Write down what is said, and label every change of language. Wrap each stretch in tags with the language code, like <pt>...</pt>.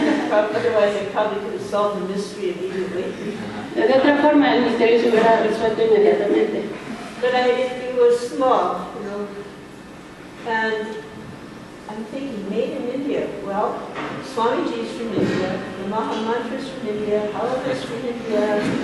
<en>Otherwise, I probably could have solved the mystery immediately.</en> <es>De otra forma, el misterio se hubiera resuelto inmediatamente.</es> <en>But I didn't, it was small, And I'm thinking, made in India. Well, Swamiji's from India, the Mahamantra's from India, Halavas from India.</en>